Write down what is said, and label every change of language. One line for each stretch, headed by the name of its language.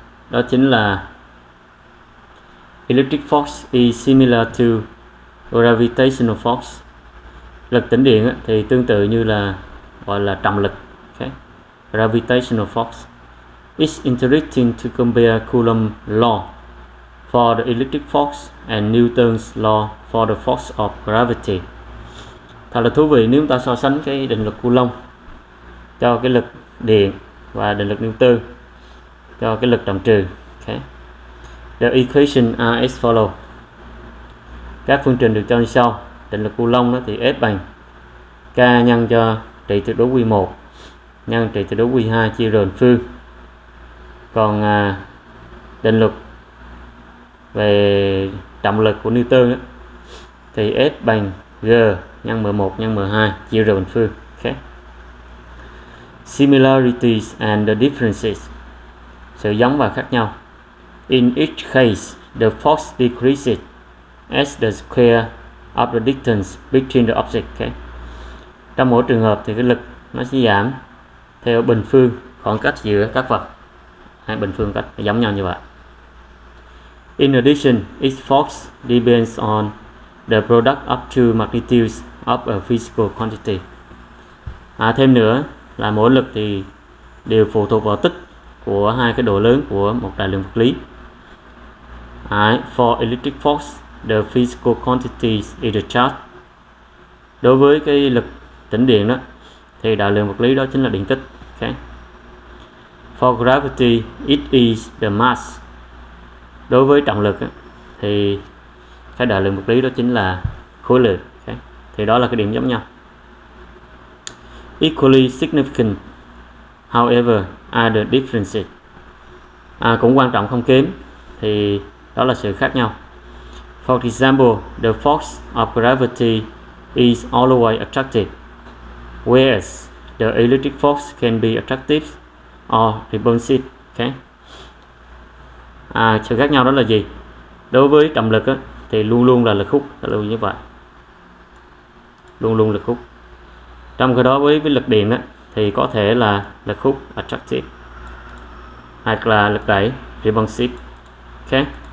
Vietnamese: Đó chính là
English: electric force is similar to gravitational force.
Vietnamese: Lực tĩnh điện thì tương tự như là gọi là trọng lực.
English: Okay. Gravitational force. It's interesting to compare Coulomb law for the electric force and Newton's law for the force of gravity.
Vietnamese: Thật là thú vị nếu chúng ta so sánh cái định lực Coulomb cho cái lực điện và định lực Newton cho cái lực trọng trừ. Okay.
English: The equation are as follow.
Vietnamese: Các phương trình được cho như sau. Định lực Coulomb đó thì F bằng K nhân cho trị tuyệt đối Q1 nhân trị tuyệt đối Q2 chia rờn phương. Còn định lực về trọng lực của Newton đó, thì F bằng G nhân M1 nhân M2 chia rờn phương.
English: Okay. Similarities and the differences.
Vietnamese: Sự giống và khác nhau.
English: In each case, the force decreases as the square of the distance between the objects. Okay.
Vietnamese: Trong mỗi trường hợp thì cái lực nó sẽ giảm theo bình phương khoảng cách giữa các vật. Hay bình phương cách giống nhau như vậy.
English: In addition, each force depends on the product of two magnitudes of a physical quantity.
Vietnamese: À, thêm nữa là mỗi lực thì đều phụ thuộc vào tích của hai cái độ lớn của một đại lượng vật lý.
English: For electric force, the physical quantity is the charge.
Vietnamese: Đối với cái lực tĩnh điện đó, thì đại lượng vật lý đó chính là điện tích. Okay.
English: For gravity, it is the mass.
Vietnamese: Đối với trọng lực thì cái đại lượng vật lý đó chính là khối lượng. Okay. Thì đó là cái điểm giống nhau.
English: Equally significant, however, are the differences.
Vietnamese: Cũng quan trọng không kém thì đó là sự khác nhau.
English: For example, the force of gravity is always attractive, whereas the electric force can be attractive or repulsive. Okay.
Vietnamese: Sự khác nhau đó là gì? Đối với trọng lực á, thì luôn luôn là lực hút, luôn như vậy. Luôn luôn lực hút. Trong khi đó với lực điện á, thì có thể là lực hút attractive hoặc là lực đẩy repulsive. Okay.